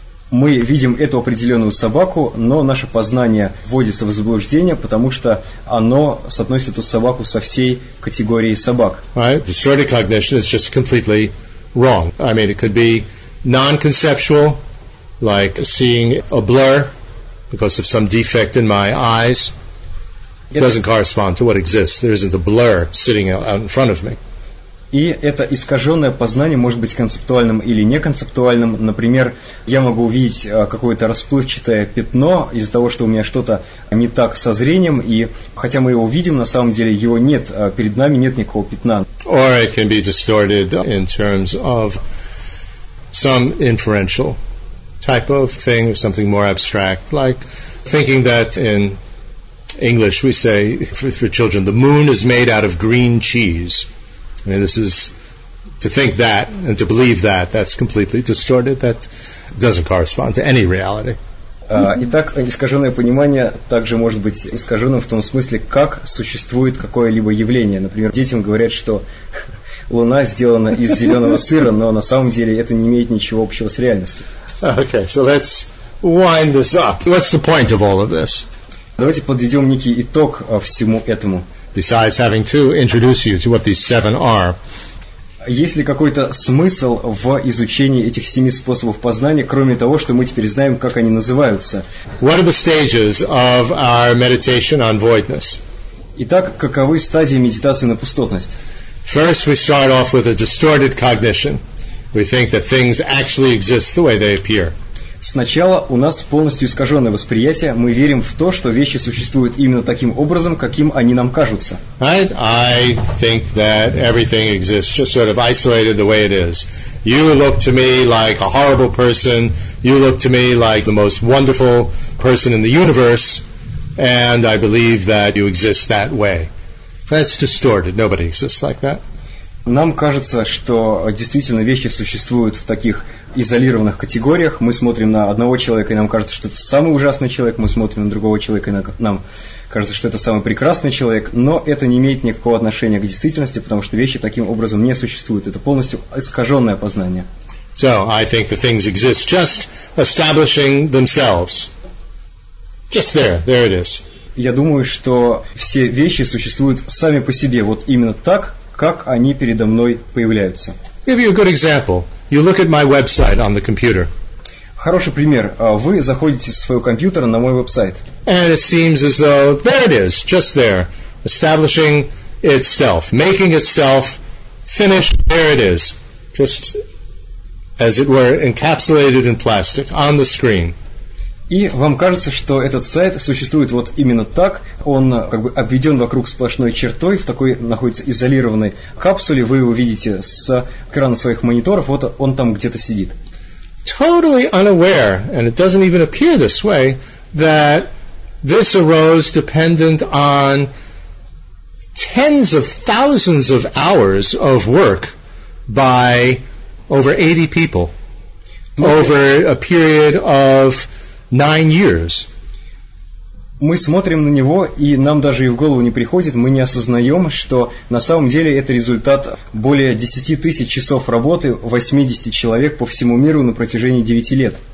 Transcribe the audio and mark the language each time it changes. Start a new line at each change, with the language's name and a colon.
Russian: Мы видим эту определенную собаку, но наше познание вводится в заблуждение, потому что оно соотносит эту собаку со всей категорией собак.
English: Right? Distorted cognition is just completely wrong. I mean, it could be non-conceptual. Like seeing a blur because of some defect in my eyes doesn't correspond to what exists. There isn't a blur sitting out in front of me.
Russian: И это искаженное познание может быть концептуальным или неконцептуальным. Например, я могу увидеть какое-то расплывчатое пятно из-за того, что у меня что-то не так со зрением, и хотя мы его видим, на самом деле его нет, перед нами нет никакого пятна.
English: Or it can be distorted in terms of some inferential type of thing, or something more abstract, like thinking that in English we say for children, the moon is made out of green cheese. I mean, this is to think that and to believe that, that's completely distorted. That doesn't correspond to any reality.
Russian: Итак, искаженное понимание также может быть искаженным в том смысле, как существует какое-либо явление. Например, детям говорят, что Луна сделана из зеленого сыра, но на самом деле это не имеет ничего общего с реальностью.
English: Okay, so let's wind this up. What's the point of all of this?
Russian: Давайте подведем некий итог всему этому.
English: Besides having to introduce you to what these seven are.
Russian: Есть ли какой-то смысл в изучении этих семи способов познания, кроме того, что мы теперь знаем, как они называются?
English: What are the stages of our meditation on voidness?
Russian: Итак, каковы стадии медитации на пустотность?
English: First, we start off with a distorted cognition. We think that things actually exist the way they appear.
Russian: Сначала у нас полностью искаженное восприятие. Мы верим в то, что вещи существуют именно таким образом, каким они нам кажутся.
English: Right? I think that everything exists just sort of isolated the way it is. You look to me like a horrible person. You look to me like the most wonderful person in the universe. And I believe that you exist that way. That's distorted. Nobody exists like that.
Russian: Нам кажется, что действительно вещи существуют в таких изолированных категориях. Мы смотрим на одного человека, и нам кажется, что это самый ужасный человек. Мы смотрим на другого человека, и нам кажется, что это самый прекрасный человек. Но это не имеет никакого отношения к действительности, потому что вещи таким образом не существуют. Это полностью искаженное познание.
English: So, I think the things exist just establishing themselves. Just there. There it is.
Russian: Я думаю, что все вещи существуют сами по себе. Вот именно так, как они передо мной появляются.
English: Give you a good example. You look at my website on the computer.
Russian: Хороший пример. Вы заходите со своего компьютера на мой веб-сайт.
English: And it seems as though there it is, just there, establishing itself, making itself finished. There it is, just as it were encapsulated in plastic on the screen.
Russian: И вам кажется, что этот сайт существует вот именно так, он как бы обведен вокруг сплошной чертой, в такой находится изолированной капсуле, вы его видите с экрана своих мониторов, вот он там где-то сидит.
English: Totally unaware, and it doesn't even appear this way, that this arose dependent on tens of thousands of hours of work by over 80 people over a period of 9 years.
Russian: Мы смотрим на него, и нам даже и в голову не приходит, мы не осознаем, что на самом деле это результат более 10 тысяч часов работы 80 человек по всему миру на протяжении 9 лет.